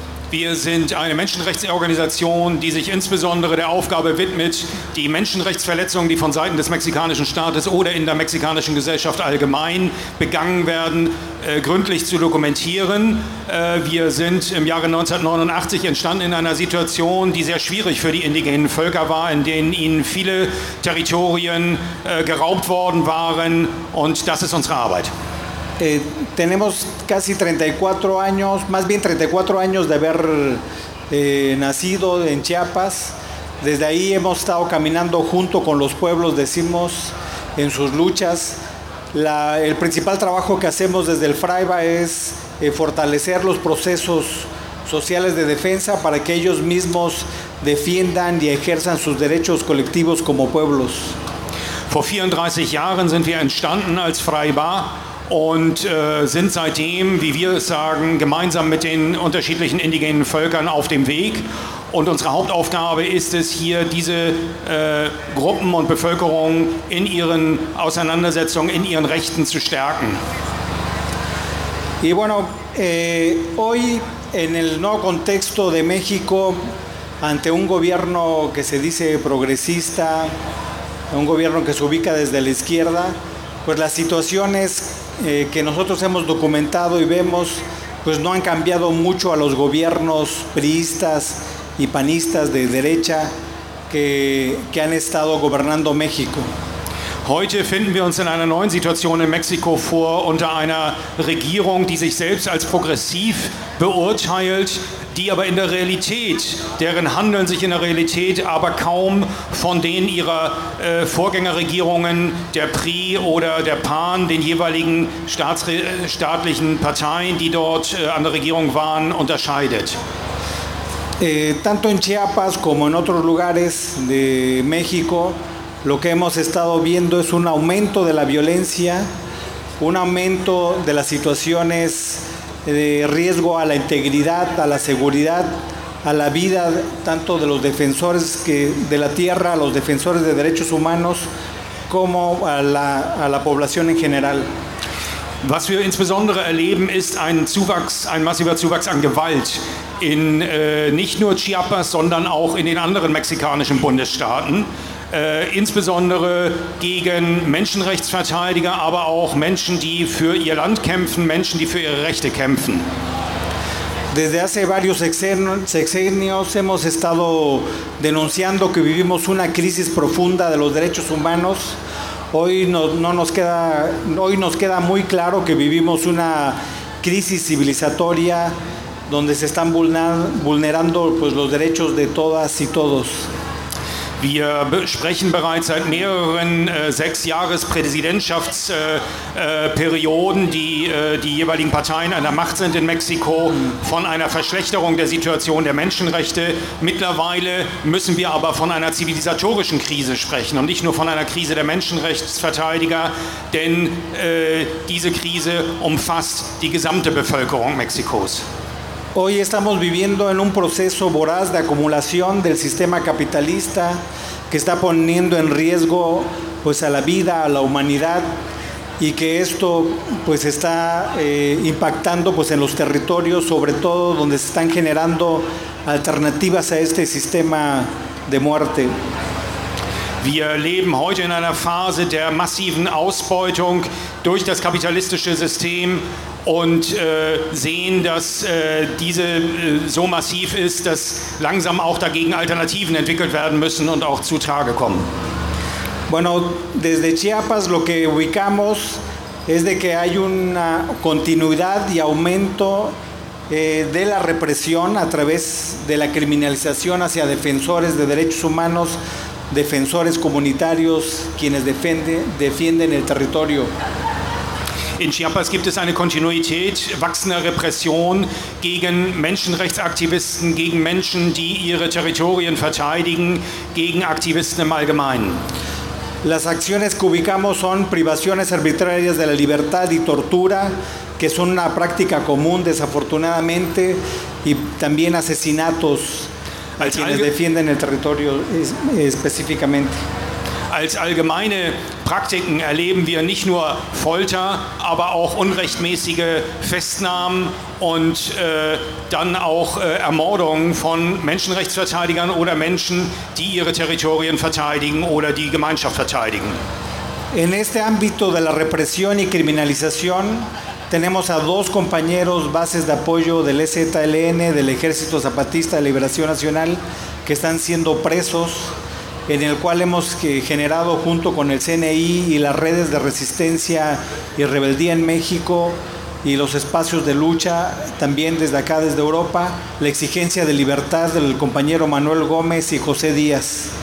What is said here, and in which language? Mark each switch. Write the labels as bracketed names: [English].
[German] Wir sind eine Menschenrechtsorganisation, die sich insbesondere der Aufgabe widmet, die Menschenrechtsverletzungen, die von Seiten des mexikanischen Staates oder in der mexikanischen Gesellschaft allgemein begangen werden, gründlich zu dokumentieren. Wir sind im Jahre 1989 entstanden in einer Situation, die sehr schwierig für die indigenen Völker war, in denen ihnen viele Territorien geraubt worden waren, und das ist unsere Arbeit. [Spanish] Tenemos casi 34 años, más bien 34 años de haber nacido en Chiapas. Desde ahí hemos estado caminando junto con los pueblos, decimos, en sus luchas. El principal trabajo que hacemos desde el FRAIBA es fortalecer los procesos sociales de defensa para que ellos mismos defiendan y ejerzan sus derechos colectivos como pueblos. [German] Vor 34 Jahren sind wir entstanden als FRAIBA. Und sind seitdem, wie wir es sagen, gemeinsam mit den unterschiedlichen indigenen Völkern auf dem Weg. Und unsere Hauptaufgabe ist es hier, diese Gruppen und Bevölkerung in ihren Auseinandersetzungen, in ihren Rechten zu stärken. [Spanish] Y bueno, hoy en el nuevo contexto de México, ante un gobierno que se dice progresista, un gobierno que se ubica desde la izquierda, pues las situaciones que nosotros hemos documentado y vemos, pues no han cambiado mucho a los gobiernos priistas y panistas de derecha que han estado gobernando México. [German] Heute finden wir uns in einer neuen Situation in Mexiko vor, unter einer Regierung, die sich selbst als progressiv beurteilt, die aber in der Realität, deren Handeln sich in der Realität aber kaum von den ihrer Vorgängerregierungen, der PRI oder der PAN, den jeweiligen staatlichen Parteien, die dort an der Regierung waren, unterscheidet. [Spanish] Tanto in Chiapas como en otros lugares de México, lo que hemos estado viendo es un aumento de la violencia, un aumento de las situaciones de riesgo a la integridad, a la seguridad, a la vida, tanto de los defensores de la tierra, a los defensores de derechos humanos, como a la población en general. [German] Was wir insbesondere erleben, ist ein massiver Zuwachs an Gewalt in nicht nur Chiapas, sondern auch in den anderen mexikanischen Bundesstaaten. Insbesondere gegen Menschenrechtsverteidiger, aber auch Menschen, die für ihr Land kämpfen, Menschen, die für ihre Rechte kämpfen. [Spanish] Desde hace varios sexenios hemos estado denunciando que vivimos una crisis profunda de los derechos humanos. Hoy nos queda muy claro que vivimos una crisis civilizatoria donde se están vulnerando pues los derechos de todas y todos. [German] Wir sprechen bereits seit mehreren Sechs-Jahres-Präsidentschaftsperioden, die jeweiligen Parteien an der Macht sind in Mexiko, von einer Verschlechterung der Situation der Menschenrechte. Mittlerweile müssen wir aber von einer zivilisatorischen Krise sprechen und nicht nur von einer Krise der Menschenrechtsverteidiger, denn diese Krise umfasst die gesamte Bevölkerung Mexikos. [Spanish] Hoy estamos viviendo en un proceso voraz de acumulación del sistema capitalista que está poniendo en riesgo pues a la vida, a la humanidad, y que esto pues está impactando pues en los territorios, sobre todo donde se están generando alternativas a este sistema de muerte. [German] Wir leben heute in einer Phase der massiven Ausbeutung durch das kapitalistische System und sehen, dass diese so massiv ist, dass langsam auch dagegen Alternativen entwickelt werden müssen und auch zutage kommen. [Spanish] Bueno, desde Chiapas lo que ubicamos es de que hay una continuidad y aumento de la represión a través de la criminalización hacia defensores de derechos humanos, defensores comunitarios, quienes defienden el territorio. [German] In Chiapas gibt es eine Kontinuität wachsender Repression gegen Menschenrechtsaktivisten, gegen Menschen, die ihre Territorien verteidigen, gegen Aktivisten im Allgemeinen. [Spanish] Las acciones que ubicamos son privaciones arbitrarias de la libertad y tortura, que son una práctica común desafortunadamente, y también asesinatos. als quienes defienden el territorio específicamente. [German] Als allgemeine Praktiken erleben wir nicht nur Folter, aber auch unrechtmäßige Festnahmen und dann auch Ermordungen von Menschenrechtsverteidigern oder Menschen, die ihre Territorien verteidigen oder die Gemeinschaft verteidigen. [Spanish] En este ámbito de la represión y criminalización tenemos a dos compañeros bases de apoyo del EZLN, del Ejército Zapatista de Liberación Nacional, que están siendo presos, en el cual hemos generado junto con el CNI y las redes de resistencia y rebeldía en México y los espacios de lucha también desde acá, desde Europa, la exigencia de libertad del compañero Manuel Gómez y José Díaz.